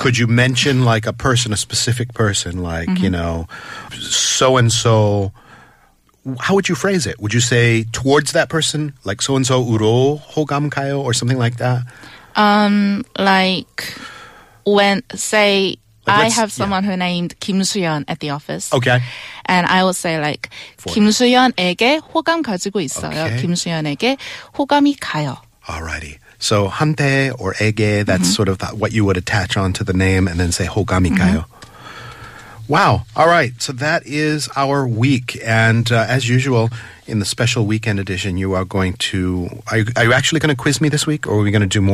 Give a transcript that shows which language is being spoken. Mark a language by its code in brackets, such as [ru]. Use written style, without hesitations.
[en] Could you mention like a person, a specific person, like, so-and-so, how would you phrase it? Would you say towards that person, like so-and-so [ko] 우로 호감 가요 [en] or something like that? I have someone who named 김수연 at the office. Okay. And I will say like, [ko] 김수연에게 호감 가지고 있어요. [en] Okay. [ko] 김수연에게 호감이 가요. [en] Alrighty. So, 한테 or 에게, that's sort of what you would attach on to the name and then say [ko] 호감이 가요. [en] Wow. All right. So that is our week. And as usual, in the special weekend edition, you are going to... Are you actually going to quiz me this week, or are we going to do more?